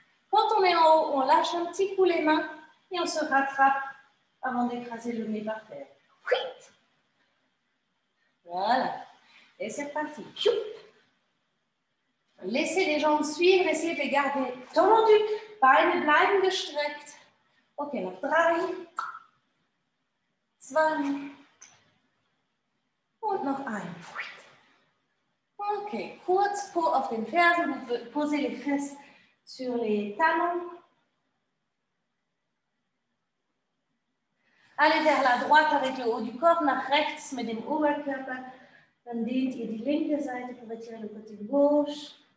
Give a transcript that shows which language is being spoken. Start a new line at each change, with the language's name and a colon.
French: Quand on est en haut, on lâche un petit coup les mains et on se rattrape avant d'écraser le nez par terre. Voilà. Et c'est parti. Laissez les jambes suivre, essayez de les garder tendues.
German: Beine bleiben gestreckt. Ok, noch drei. Zwei. Und noch ein. Ok, kurz Po auf den Fersen.
French: Posez les fesses sur les talons. Allez vers la droite avec le haut du corps,
German: nach rechts mit dem Oberkörper. Dann dehnt ihr die linke Seite,
French: pour retirer le côté gauche.